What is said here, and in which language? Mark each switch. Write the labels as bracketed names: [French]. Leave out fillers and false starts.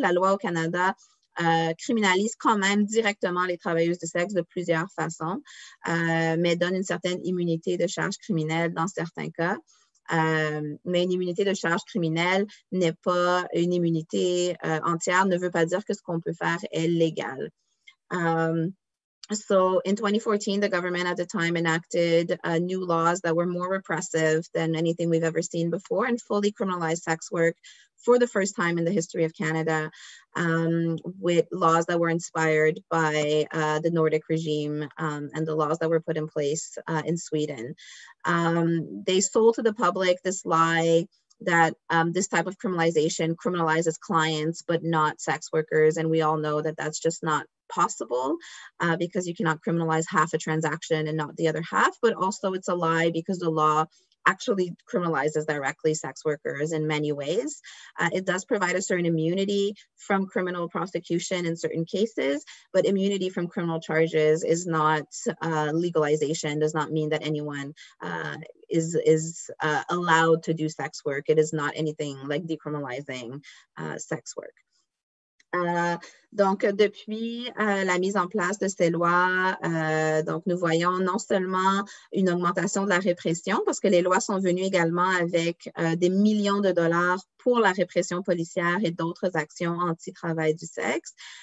[French] La loi au Canada criminalise quand même directement les travailleuses du sexe de plusieurs façons, mais donne une certaine immunité de charges criminelles dans certains cas. Mais une immunité de charge criminelle n'est pas une immunité entière, ne veut pas dire que ce qu'on peut faire est légal. [English] So in 2014, the government at the time enacted new laws that were more repressive than anything we've ever seen before and fully criminalized sex work for the first time in the history of Canada, with laws that were inspired by the Nordic regime and the laws that were put in place in Sweden. They sold to the public this lie that this type of criminalization criminalizes clients, but not sex workers. And we all know that that's just not possible because you cannot criminalize half a transaction and not the other half, but also it's a lie because the law actually criminalizes directly sex workers in many ways. It does provide a certain immunity from criminal prosecution in certain cases, but immunity from criminal charges is not legalization, does not mean that anyone is allowed to do sex work. It is not anything like decriminalizing sex work. [French] Donc, depuis la mise en place de ces lois, donc nous voyons non seulement une augmentation de la répression, parce que les lois sont venues également avec des millions de dollars pour la répression policière et d'autres actions anti-travail du sexe.